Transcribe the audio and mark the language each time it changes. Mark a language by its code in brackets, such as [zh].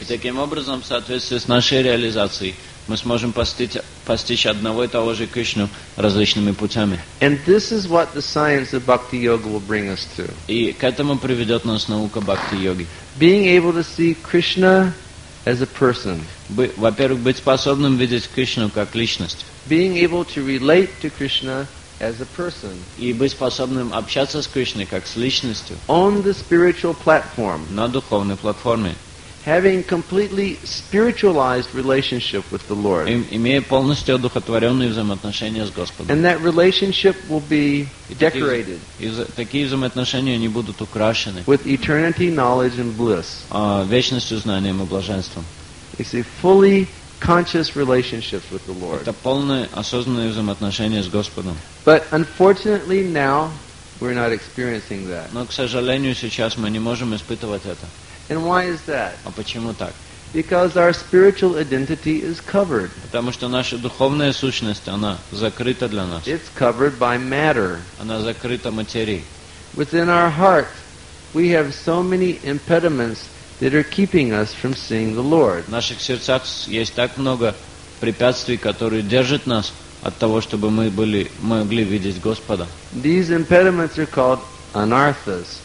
[ru] И таким образом, в соответствии с нашей реализацией, мы сможем постичь одного и того же Кришну различными путями. [en] And this is what the science of Bhakti Yoga will bring us to. [ru] И к этому приведет нас наука Бхакти Йоги. [en] Being able to see Krishna as a person. [ru] Во-первых, быть способным видеть Кришну как личность. [en] Being able to relate to Krishna as a person, [ru] и быть способным общаться с Кришной как с личностью, [en] on the spiritual platform, [ru] на духовной платформе, [en] having completely spiritualized relationship with the Lord, [ru] имея полностью одухотворенные взаимоотношения с Господом, [en] and that relationship will be decorated, [ru] такие взаимоотношения они будут украшены, [en] with eternity, knowledge and bliss, [ru] вечностью, знанием и блаженством. [en] You see, fully conscious relationships with the Lord. [ru] Это полное осознанное взаимоотношение с Господом. [en] But unfortunately now we're not experiencing that. [ru] Но, к сожалению, сейчас мы не можем испытывать это. [en] And why is that? [ru] А почему так? [en] Because our spiritual identity is covered. [ru] Потому что наша духовная сущность, она закрыта для нас. [en] It's covered by matter. [ru] Она закрыта материей. [en] Within our heart we have so many impediments that are keeping us from seeing the Lord. [ru] В наших сердцах есть так много препятствий, которые держат нас от того, чтобы мы могли видеть Господа. [en] These impediments are called anarthas.